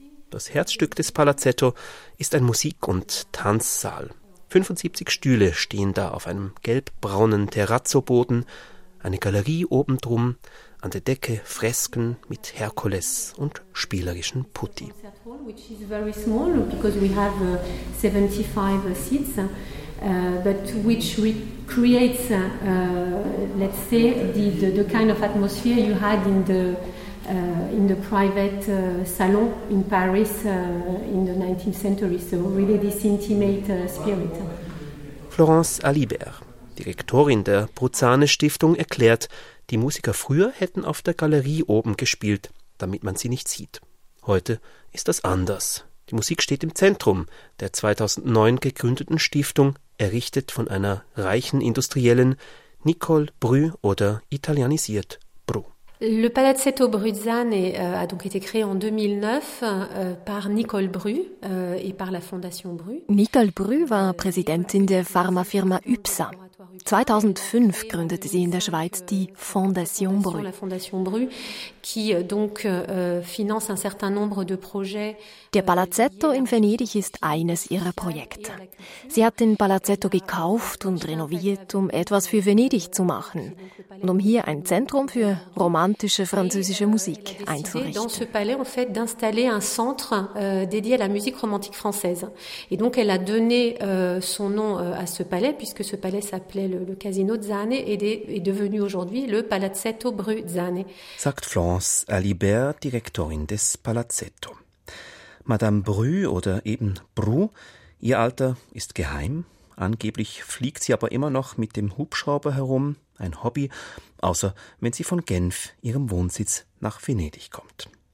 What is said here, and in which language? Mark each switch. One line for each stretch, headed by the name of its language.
German: Das Herzstück des Palazzetto ist ein Musik- und Tanzsaal. 75 Stühle stehen da auf einem gelbbraunen Terrazzoboden, eine Galerie obendrum, an der Decke Fresken mit Herkules und spielerischen Putti.
English: Which is very small, because we have 75 seats. But which recreates, let's say, the kind of atmosphere you had in the private salon in Paris in the 19th century. So really this intimate spirit.
German: Florence Alibert, Direktorin der Bruzzane Stiftung, erklärt, die Musiker früher hätten auf der Galerie oben gespielt, damit man sie nicht sieht. Heute ist das anders. Die Musik steht im Zentrum der 2009 gegründeten Stiftung, errichtet von einer reichen Industriellen, Nicole Bru oder italienisiert Bru.
French: Le Palazzetto Bruzzane a donc été créé en 2009 par Nicole Bru et par la Fondation Bru.
German: Nicole Bru war Präsidentin der Pharmafirma Ypsa. 2005 gründete sie in der Schweiz die Fondation Bru.
French: La Fondation Bru qui donc finance un certain nombre de projets.
German: Der Palazzetto in Venedig ist eines ihrer Projekte. Sie hat den Palazzetto gekauft und renoviert, um etwas für Venedig zu machen und um hier ein Zentrum für romantische französische Musik einzurichten.
French: Dans ce palais en fait d'installer un centre dédié à la musique romantique française. Et donc elle a donné son nom à ce palais puisque ce palais s'appelait le Casino Zane et est devenu aujourd'hui le Palazzetto Bruzzane.
German: Sagt Florence Alibert, Direktorin des Palazzetto. Madame Bru oder eben Bru, ihr Alter ist geheim. Angeblich fliegt sie aber immer noch mit dem Hubschrauber herum, ein Hobby, außer wenn sie von Genf, ihrem Wohnsitz, nach Venedig kommt.